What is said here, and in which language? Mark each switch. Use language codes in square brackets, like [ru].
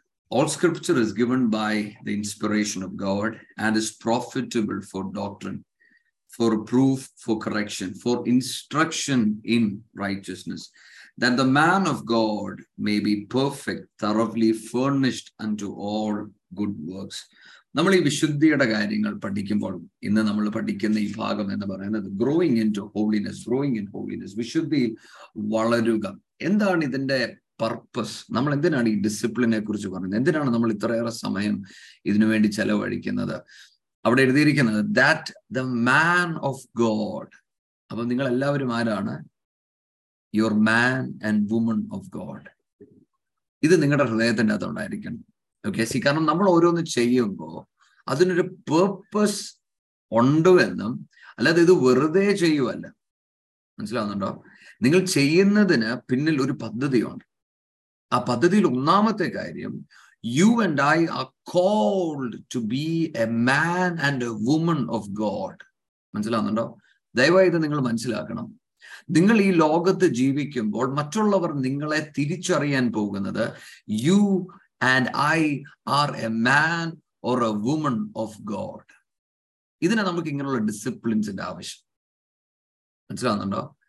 [en] All scripture is given by the inspiration of God and is profitable for doctrine, for proof, for correction, for instruction in righteousness, that the man of God may be perfect, thoroughly furnished unto all good works. [ml] നമ്മൾ ഈ വിശുദ്ധിയുടെ കാര്യങ്ങൾ പഠിക്കുമ്പോൾ, ഇന്ന് നമ്മൾ പഠിക്കുന്ന ഈ ഭാഗം എന്ന് പറയുന്നത് [en] growing into holiness, growing in holiness, [ml] വിശുദ്ധിയിൽ വളരുക. എന്താണ് ഇതിന്റെ പർപ്പസ്? നമ്മൾ എന്തിനാണ് ഈ ഡിസിപ്ലിനെ കുറിച്ച് പറയുന്നത്? എന്തിനാണ് നമ്മൾ ഇത്രയേറെ സമയം ഇതിനുവേണ്ടി ചെലവഴിക്കുന്നത്? അവിടെ എഴുതിയിരിക്കുന്നത് [en] That the man of God. [ml] അപ്പൊ നിങ്ങൾ എല്ലാവരും ആരാണ്? [en] You are man and woman of God. [ml] ഇത് നിങ്ങളുടെ ഹൃദയത്തിൻ്റെ അകത്തുണ്ടായിരിക്കണം. ഓക്കെ, സി, കാരണം നമ്മൾ ഓരോന്ന് ചെയ്യുമ്പോൾ അതിനൊരു പേർപ്പസ് ഉണ്ടെന്നും, അല്ലാതെ ഇത് വെറുതെ ചെയ്യുമല്ല. മനസ്സിലാവുന്നുണ്ടോ? നിങ്ങൾ ചെയ്യുന്നതിന് പിന്നിൽ ഒരു പദ്ധതിയുണ്ട്. ആ പദ്ധതിയിൽ ഒന്നാമത്തെ കാര്യം, [en] You and I are called to be a man and a woman of God. [ml] മനസ്സിലാവുന്നുണ്ടോ? ദയവായി ഇത് നിങ്ങൾ മനസ്സിലാക്കണം. നിങ്ങൾ ഈ ലോകത്ത് ജീവിക്കുമ്പോൾ മറ്റുള്ളവർ നിങ്ങളെ തിരിച്ചറിയാൻ പോകുന്നത് [en] You and I are a man or a woman of God. [ml] ഇതിനെ നമുക്ക് ഇങ്ങനെയുള്ള ഡിസിപ്ലിൻസിന്റെ ആവശ്യം. മനസ്സിലാവുന്നുണ്ടോ?